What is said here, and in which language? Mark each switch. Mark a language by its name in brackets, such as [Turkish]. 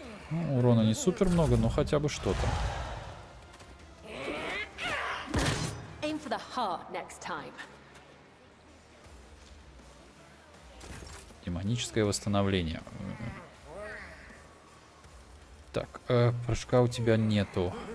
[Russian] Ну, урона не супер много, но хотя бы что-то. [English] Aim for the heart next time. [Russian] Демоническое восстановление. Так, прыжка у тебя нету.